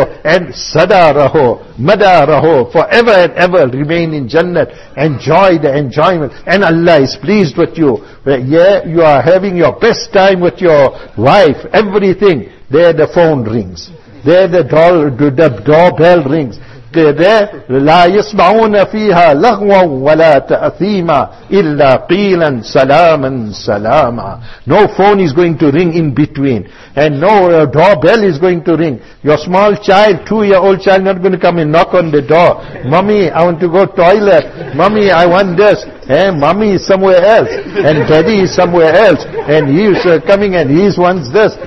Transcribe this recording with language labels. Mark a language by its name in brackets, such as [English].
[English] And [Urdu] sada raho, mada raho, [English] forever and ever remain in Jannah. Enjoy the enjoyment. And Allah is pleased with you. Yeah, you are having your best time with your wife. Everything. There the phone rings. There the doorbell rings. there, [Arabic] لَا يَسْمَعُونَ فِيهَا لَغْوًا وَلَا تَأْثِيمًا إِلَّا قِيلًا سَلَامًا سَلَامًا. [English] No phone is going to ring in between, and no doorbell is going to ring. Your small child, 2-year-old child, not going to come and knock on the door. Mummy, I want to go toilet. Mummy, I want this. And mummy is somewhere else, and daddy is somewhere else, and he is coming and he wants this.